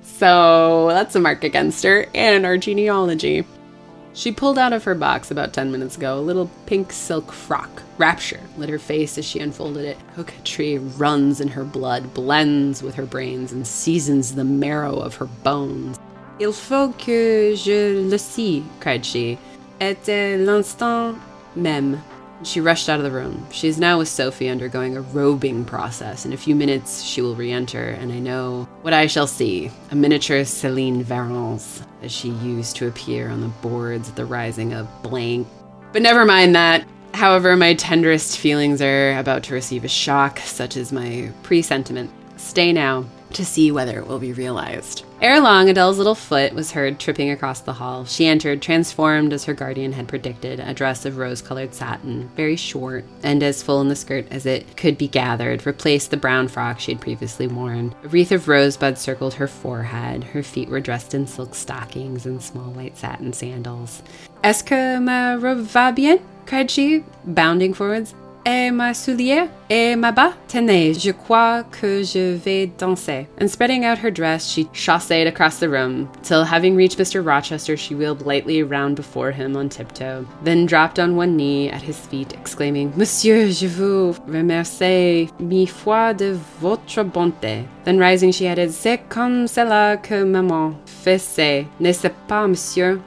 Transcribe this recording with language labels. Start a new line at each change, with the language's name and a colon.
English: So that's a mark against her and our genealogy. She pulled out of her box about 10 minutes ago a little pink silk frock. Rapture lit her face as she unfolded it. Coquetry runs in her blood, blends with her brains, and seasons the marrow of her bones.
French: Il faut que je le sie,
English: cried she.
French: Et l'instant même.
English: She rushed out of the room. She is now with Sophie undergoing a robing process. In a few minutes, she will re-enter, and I know what I shall see. A miniature Céline Varens, as she used to appear on the boards at the rising of blank. But never mind that. However, my tenderest feelings are about to receive a shock, such as my presentiment. Stay now to see whether it will be realized. Ere long, Adele's little foot was heard tripping across the hall. She entered, transformed as her guardian had predicted, a dress of rose-colored satin, very short, and as full in the skirt as it could be gathered, replaced the brown frock she had previously worn. A wreath of rosebuds circled her forehead. Her feet were dressed in silk stockings and small white satin sandals.
French: Est-ce que ma robe va bien?
English: Cried she, bounding forwards.
French: Et ma soulier, et ma bas, tenez, je crois que je vais danser.
English: And spreading out her dress, she chausseed across the room, till having reached Mr. Rochester, she wheeled lightly round before him on tiptoe, then dropped on one knee at his feet, exclaiming,
French: Monsieur, je vous remercie mille fois de votre bonté.
English: Then rising, she added,
French: C'est comme cela que maman faisait, n'est-ce pas, monsieur?